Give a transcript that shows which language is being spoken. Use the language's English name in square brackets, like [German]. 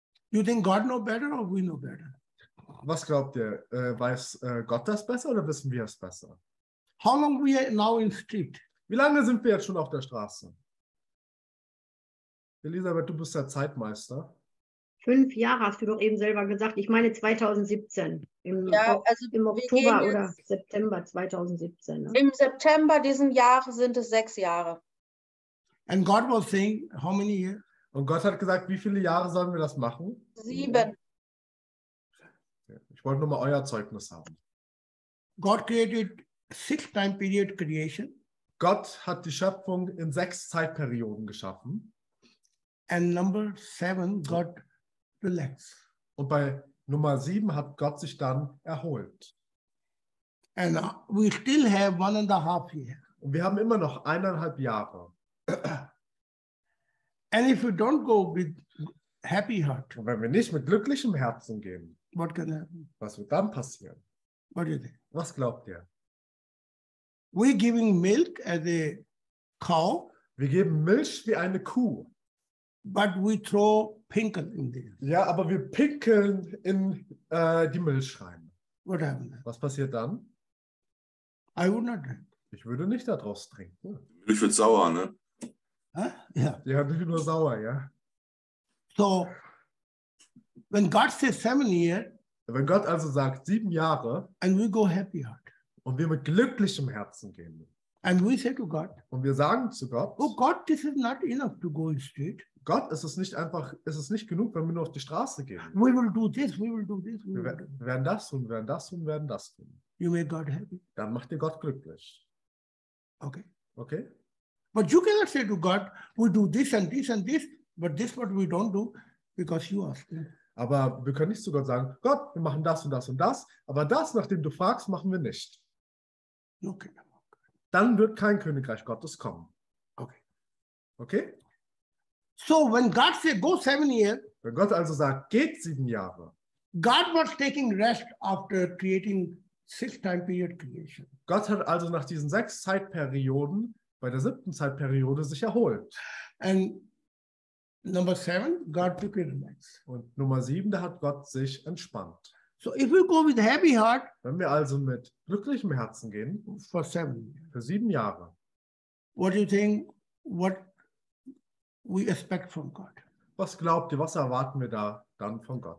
[English] You think God know better or we know better? [German] Was glaubt ihr? Weiß Gott das besser oder wissen wir es besser? [English] How long we are now in street? [German] Wie lange sind wir jetzt schon auf der Straße? Elisabeth, du bist der Zeitmeister. 5 Jahre hast du doch eben selber gesagt. Ich meine 2017. Im Oktober oder September 2017. Ne? Im September diesem Jahr sind es 6 Jahre. [English] And God was saying, how many years? [German] Und Gott hat gesagt, wie viele Jahre sollen wir das machen? 7. Ich wollte nur mal euer Zeugnis haben. [English] God created 6 time period creation. [German] Gott hat die Schöpfung in 6 Zeitperioden geschaffen. [English] And number 7, God relaxed. [German] Und bei Nummer 7 hat Gott sich dann erholt. [English] And we still have 1.5 years. [German] Und wir haben immer noch 1,5 Jahre. [English] And if you don't go with happy heart, [German] und wenn wir nicht mit glücklichem Herzen gehen, [English] what can happen? [German] Was wird dann passieren? [English] What do you think? [German] Was glaubt ihr? [English] We giving milk as a cow. [German] Wir geben Milch wie eine Kuh. [English] But we throw pinkel in there. [German] Ja, aber wir pinkeln in die Milch rein. [English] What happened? [German] Was passiert dann? [English] I would not drink. [German] Ich würde nicht daraus trinken. Milch wird sauer, ne? Huh? Yeah. Ja, nicht nur sauer, ja. [English] So, when God says 7 years, [German] wenn Gott also sagt 7 Jahre, [English] and we go happy heart, [German] und wir mit glücklichem Herzen gehen, [English] and we say to God, [German] und wir sagen zu Gott, [English] oh God, this is not enough to go in street. [German] Gott, ist es nicht einfach, ist es nicht genug, wenn wir nur auf die Straße gehen? [English] We will do this, we will do this, we will do [German] this. Wir werden das tun, werden das tun, werden das tun. [English] You make God happy. [German] Dann macht dir Gott glücklich. Okay. Okay. [English] But you cannot say to God, we do this and this and this, but this what we don't do, because you ask. [German] Aber wir können nicht zu Gott sagen, Gott, wir machen das und das und das, aber das, nachdem du fragst, machen wir nicht. [English] No kingdom. [German] Dann wird kein Königreich Gottes kommen. Okay. Okay? [English] So when God said, go 7 years, [German] wenn Gott also sagt, geht 7 Jahre, [English] God was taking rest after creating 6-time period creation. [German] Gott hat also nach diesen 6 Zeitperioden bei der 7. Zeitperiode sich erholt. [English] And number 7, God took it relax. [German] Und Nummer 7, da hat Gott sich entspannt. [English] So if we go with happy heart, [German] wenn wir also mit glücklichem Herzen gehen, [English] for 7 Jahre, what do you think, what we expect from God? [German] Was glaubt ihr, was erwarten wir da dann von Gott?